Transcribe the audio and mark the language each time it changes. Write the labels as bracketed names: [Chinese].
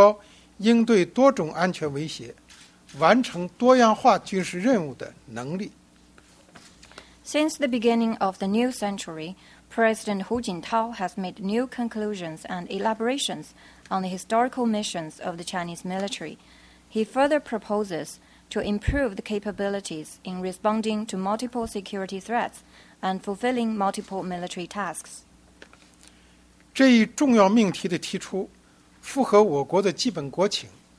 [Chinese] 进入新世纪，胡锦涛主席对中国军队的历史使命做了新的概括和论述，并在此基础上提出了要努力提高应对多种安全威胁。 [English] Since the beginning of the new century, President Hu Jintao has made new conclusions and elaborations on the historical missions of the Chinese military. He further proposes to improve the capabilities in responding to multiple security threats and fulfilling multiple military tasks. [Chinese] 这一重要命题的提出符合我国的基本国情。